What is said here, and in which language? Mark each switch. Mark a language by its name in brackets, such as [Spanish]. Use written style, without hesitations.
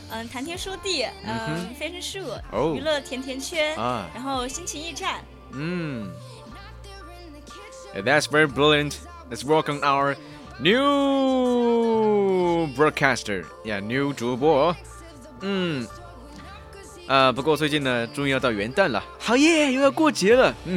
[Chinese] 谈天说地，非诚勿扰，娱乐甜甜圈，然后心情驿站。 [English] That's very brilliant. Let's welcome our new broadcaster. Yeah, new 主播。 [Chinese] 不过最近呢，终于要到元旦了，好耶，又要过节了。